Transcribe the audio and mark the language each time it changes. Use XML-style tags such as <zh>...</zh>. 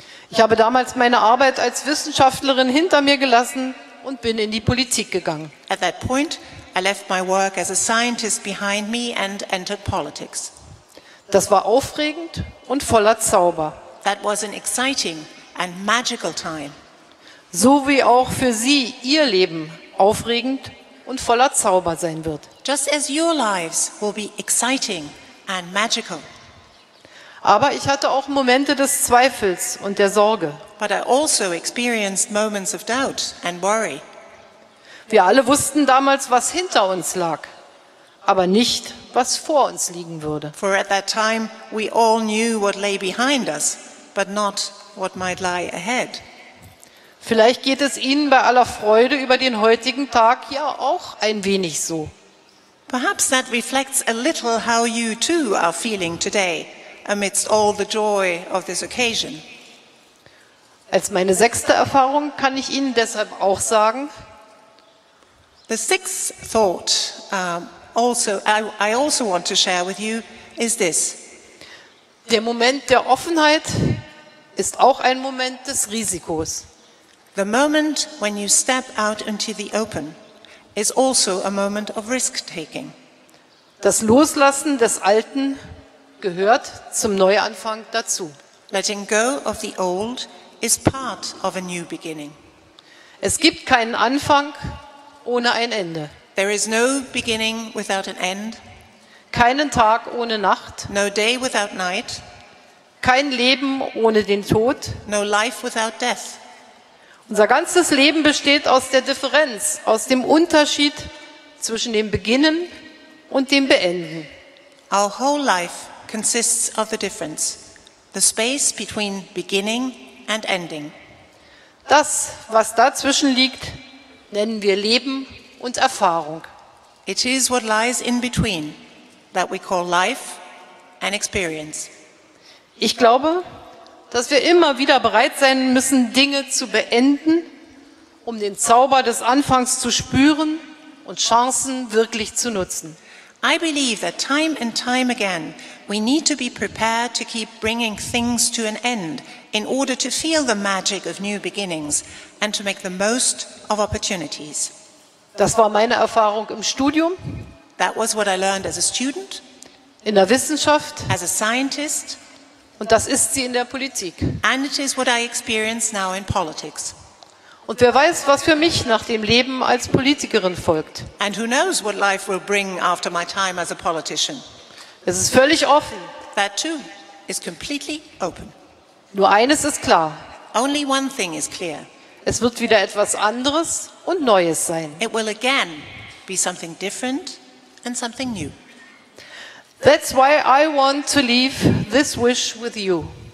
<de>Ich habe damals meine Arbeit als Wissenschaftlerin hinter mir gelassen und bin in die Politik gegangen.</de> <en>At that point, I left my work as a scientist behind me and entered politics.</en> <de>Das war aufregend und voller Zauber.</de> <en>That was an exciting and magical time.</en> <de>So wie auch für Sie Ihr Leben aufregend und voller Zauber sein wird.</de> <en>Just as your lives will be exciting and magical.</en> <de>Aber ich hatte auch Momente des Zweifels und der Sorge.</de> <en>But I also experienced moments of doubt and worry.</en> <de>Wir alle wussten damals, was hinter uns lag, aber nicht, was vor uns liegen würde.</de> <en>For at that time we all knew what lay behind us, but not what might lie ahead.</en> <de>Vielleicht geht es Ihnen bei aller Freude über den heutigen Tag ja auch ein wenig so.</de> <en>Perhaps that reflects a little how you too are feeling today, amidst all the joy of this occasion.</en> <de>Als meine sechste Erfahrung kann ich Ihnen deshalb auch sagen.</de> <en>The sixth thought also want to share with you is this.</en> <de>Der Moment der Offenheit ist auch ein Moment des Risikos.</de> <en>The moment when you step out into the open is also a moment of risk-taking.</en> <de>Das Loslassen des Alten gehört zum Neuanfang dazu.</de> <en>Letting go of the old is part of a new beginning.</en> <de>Es gibt keinen Anfang ohne ein Ende.</de> <en>There is no beginning without an end.</en> <de>Keinen Tag ohne Nacht.</de> <en>No day without night.</en> <de>Kein Leben ohne den Tod.</de> <en>No life without death.</en> <de>Unser ganzes Leben besteht aus der Differenz, aus dem Unterschied zwischen dem Beginnen und dem Beenden.</de> <en>Our whole life consists of the difference, the space between beginning and ending.</en> <de>Das, was dazwischen liegt, nennen wir Leben und Erfahrung.</de> <en>It is what lies in between that we call life and experience.</en> <de>Ich glaube, dass wir immer wieder bereit sein müssen, Dinge zu beenden, um den Zauber des Anfangs zu spüren und Chancen wirklich zu nutzen.</de> <en>I believe that time and time again we need to be prepared to keep bringing things to an end in order to feel the magic of new beginnings and to make the most of opportunities.</en> <de>Das war meine Erfahrung im Studium.</de> <en>That was what I learned as a student.</en> <de>In der Wissenschaft.</de> <en>As a scientist.</en> <de>Und das ist sie in der Politik.</de> <en>And it is what I experience now in politics.</en> <de>Und wer weiß, was für mich nach dem Leben als Politikerin folgt.</de> <en>And who knows what life will bring after my time as a politician.</en> <de>Es ist völlig offen.</de> <en>That too is completely open.</en> <de>Nur eines ist klar.</de> <en>Only one thing is clear.</en> <de>Es wird wieder etwas anderes und Neues sein.</de> <en>It will again be something different and something new. That's why I want to leave this wish with you.</en>